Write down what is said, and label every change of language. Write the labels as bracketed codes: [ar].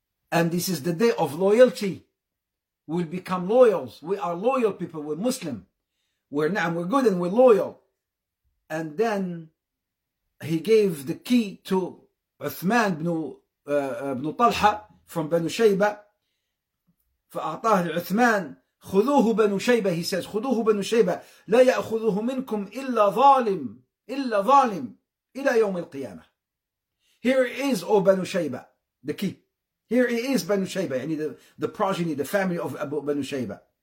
[en] And this is the day of loyalty. We'll become loyals. We are loyal people. We're Muslim. We're good and we're loyal. And then he gave the key to Uthman ibn Talha from Banu Shayba. [ar] فأعطاه العثمان خذوه بنو شيبة. [en] He says [ar] خذوه بنو شيبة لا يأخذه منكم إلا ظالم إلا ظالم إلى يوم القيامة. [en] Here it is, O بنو شيبة, the key. Here it is, بنو شيبة, يعني the progeny, the family of Abu بنو شيبة.